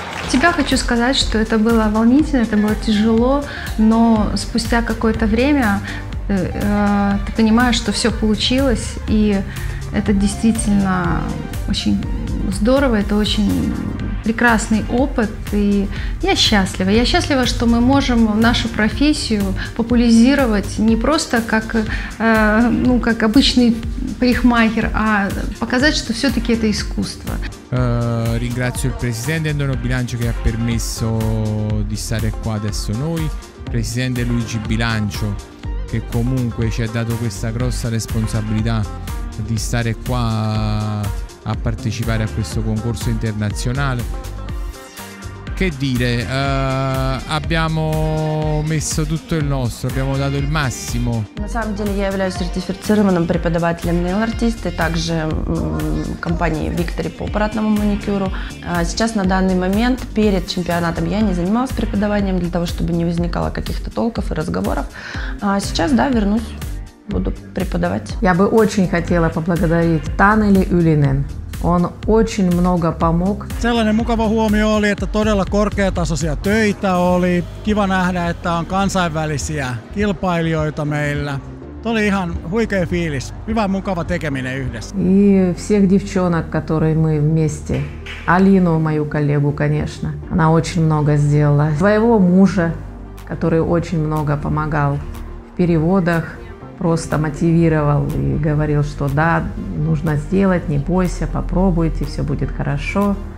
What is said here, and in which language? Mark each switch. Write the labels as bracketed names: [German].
[Russian] Тебя хочу сказать, что это было волнительно, это было тяжело, но спустя какое-то время ты понимаешь, что все получилось, и это действительно очень здорово, это очень прекрасный опыт, и я счастлива. Я счастлива, что мы можем нашу профессию популяризировать не просто как, ну, как обычный парикмахер, а показать, что все-таки это искусство. [Italian] Ringrazio il presidente Antonio Bilancio che ha permesso di stare qua adesso noi, presidente Luigi Bilancio che comunque ci ha dato questa grossa responsabilità di stare qua a partecipare a questo concorso internazionale. Che dire, abbiamo messo tutto il nostro, abbiamo dato il massimo. [Russian] На самом деле я являюсь сертифицированным преподавателем Nail Artist и также компании Victory по аппаратному маникюру. Сейчас на данный момент перед чемпионатом я не занималась преподаванием для того, чтобы не возникало каких-то толков и разговоров. Сейчас, да, вернусь, буду преподавать. Я бы очень хотела поблагодарить Танели Юлинен. Он очень много помог. [Finnish] Sellainen mukava huomio oli, että todella korkeatasoisia töitä oli. Kiva nähdä, että on kansainvälisiä kilpailijoita meillä. Tuo oli ihan huikea fiilis. Hyvä, mukava tekeminen yhdessä. [Russian] И всех девчонок, которые мы вместе. Алину, мою коллегу, конечно. Она очень много сделала. Своего мужа, который очень много помогал в переводах. Просто мотивировал и говорил, что да, нужно сделать, не бойся, попробуйте, все будет хорошо.